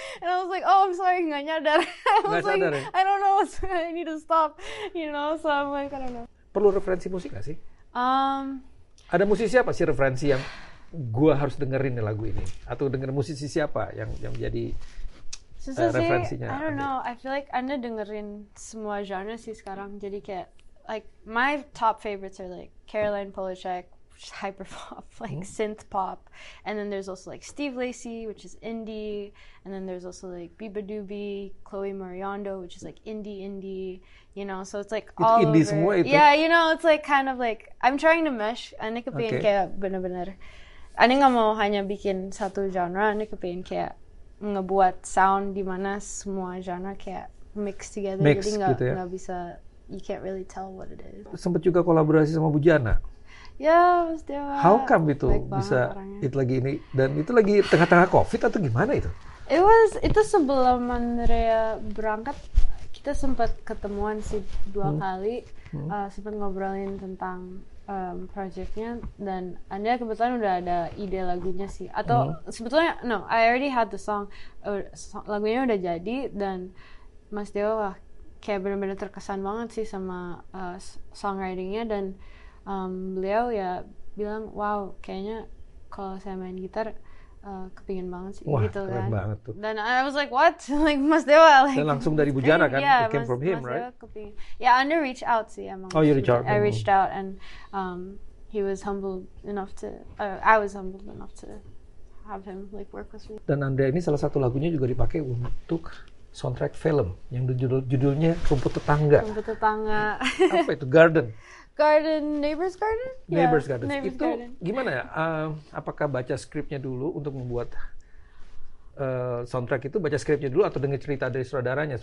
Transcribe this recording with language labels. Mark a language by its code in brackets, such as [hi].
[en] And I was like, oh I'm sorry, [id] gak nyadar. [en] I don't know, so I need to stop, you know. So I'm like, I don't know. [id] Perlu referensi musik gak sih? Ada musisi apa sih referensi yang gue harus dengerin nih lagu ini, atau denger musisi siapa yang jadi referensinya? [en] I don't know, I feel like [id] Anda dengerin semua genre sih sekarang. Jadi kayak, [en] like my top favorites are like Caroline Polachek, which is hyper pop, like synth pop. And then there's also like Steve Lacy, which is indie. And then there's also like Biba Doobie, Chloe Mariondo, which is like indie, you know. So it's like all indie [id] Semua itu. [en] Yeah, you know, it's like kind of like I'm trying to mesh. [id] Ane kepengen kayak bener-bener. Ane gak mau hanya bikin satu genre. Ane kepengen kayak ngebuat sound di mana semua genre kayak [en] mix together. Mix, [id] jadi gak, gitu ya. Gak bisa. [en] You can't really tell what it is. [id] Sempat juga kolaborasi sama Bujana. [en] Yeah, how come [id] itu bisa it lagi ini, dan itu lagi tengah-tengah COVID atau gimana itu? Itu sebelum Andrea berangkat, kita sempat ketemuan sih dua kali, sempat ngobrolin tentang projectnya, dan Andrea kebetulan udah ada ide lagunya sih, atau sebetulnya [en] no, I already had the song, [id] lagunya udah jadi, dan Mas Dewa lah. Kayak benar-benar terkesan banget sih sama songwritingnya, dan beliau ya bilang, wow, kayaknya kalau saya main gitar kepingin banget sih. Wah, gitu keren Banget tuh. [en] Dan I was like, what? Like Mas Dewa, like. [id] Dan langsung dari Bu Jana kan, [en] yeah, it came from him, right? Ya, yeah, under reach out [id] sih emang. [en] Oh, you reach out. I reached out and he was humbled enough to, I was humbled enough to have him like work with me. [id] Dan Andrea ini salah satu lagunya juga dipakai untuk soundtrack film yang judulnya Rumput Tetangga. Rumput Tetangga. Apa itu? Garden. [en] Garden, Neighbor's Garden? Neighbor's yeah. Garden. Itu Garden. [id] Gimana ya? Apakah baca skripnya dulu untuk membuat soundtrack itu? Baca skripnya dulu atau dengar cerita dari saudaranya?